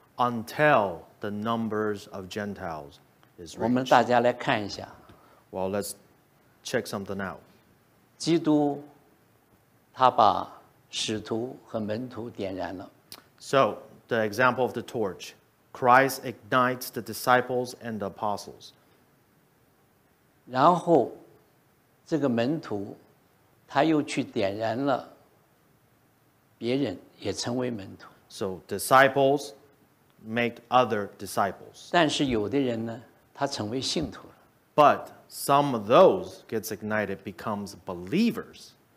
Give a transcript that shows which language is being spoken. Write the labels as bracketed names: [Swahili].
[English] until the numbers of Gentiles is reached. [Chinese] 我们大家来看一下, [English] well, let's check something out. [Chinese] 基督他把使徒和门徒点燃了。 [English] So, the example of the torch. Christ ignites the disciples and the apostles. [Chinese] 然后,这个门徒,他又去点燃了别人,也成为门徒。 [English] So, disciples make other disciples. [Chinese] 但是有的人呢,他成为信徒了。 [English] But some of those gets ignited becomes believers.